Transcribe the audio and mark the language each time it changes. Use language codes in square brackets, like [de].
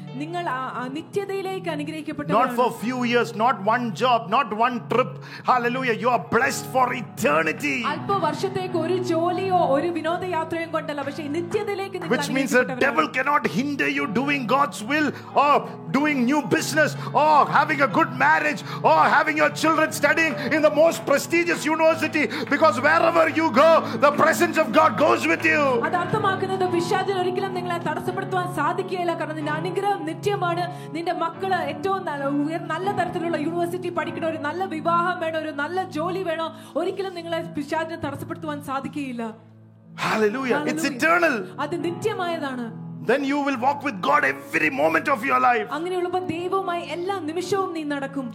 [ml] നിങ്ങൾ നിത്യതയിലേക്ക് അനുഗ്രഹിക്കപ്പെട്ടു. [en] Not for few years, not one job, not one trip. Hallelujah. You are blessed for eternity. [ml] അല്പ വർഷത്തേക്ക് ഒരു ജോലിയോ ഒരു വിനോദയാത്രയോ കൊണ്ടല്ല, പക്ഷേ നിത്യതയിലേക്ക് നിങ്ങൾ. [en] Which means the devil cannot hinder you doing God's will or doing new business or having a good marriage or having your children studying in the most prestigious university because wherever you go, the presence of God goes with you. [ml] അതർത്ഥമാക്കുന്നത് വിശ്വാസത്തിൽ ഒരിക്കലും നിങ്ങളെ തടസ്സപ്പെടുത്താൻ സാധിക്കുകയില്ല. കാരണം നിന്റെ അനുഗ്രഹം നിത്യമാണ്. നിന്റെ മക്കള് ഏറ്റവും നല്ല തരത്തിലുള്ള യൂണിവേഴ്സിറ്റി പഠിക്കണം, ഒരു നല്ല വിവാഹം വേണം, ഒരു നല്ല ജോലി വേണം, ഒരിക്കലും നിങ്ങളെ പിശാചിനെ തടസ്സപ്പെടുത്താൻ സാധിക്കുകയില്ല. [en] Hallelujah. It's eternal. [ml] അത് നിത്യമായതാണ്. [en] Then you will walk with God every moment of your life. [ml] അങ്ങനെ ഉള്ളപ്പോൾ ദൈവവുമായി എല്ലാ നിമിഷവും നീ നടക്കും.